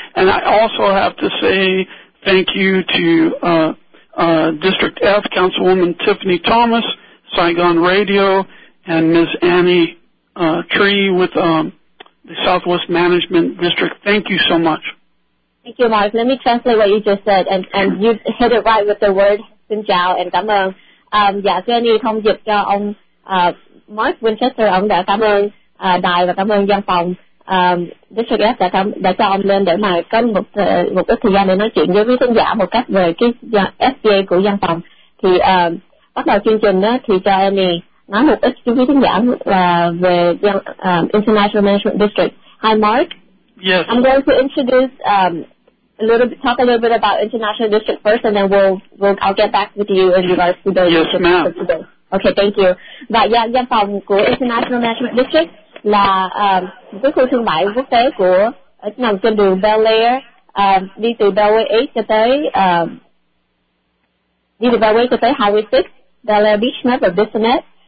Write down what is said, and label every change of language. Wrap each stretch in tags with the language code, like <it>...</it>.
<en>And I also have to say thank you to District F, Councilwoman Tiffany Thomas, Saigon Radio, and Ms. Annie Tree with the Southwest Management District. Thank you so much. Thank you, Mark. Let me translate what you just said, and you hit it right with the word</en> <vi>xin chào</vi> <en>and</en> <vi>cảm ơn. Dạ, xin Annie thông dịch cho ông Mark Winchester. Ông đã cảm ơn đài và cảm ơn văn phòng District F đã cho ông lên để mà có một ít thời gian để nói chuyện với khán giả một cách về cái FDA của văn phòng. Thì bắt đầu chương trình đó thì cho Annie nói một ít với khán giả về International Management District.</vi> <en>Hi, Mark. Yes. I'm going to introduce talk a little bit about International District first, and then I'll get back with you in regards to the yes, ma'am. Okay, thank you.</en> <vi>Và văn phòng của International Management District là cái khu thương mại quốc tế của nằm trên đường Bel Air, đi từ Bellway 8 cho tới đi từ Bellway cho tới Highway 6, Bel Air Beach Map và Business.</vi>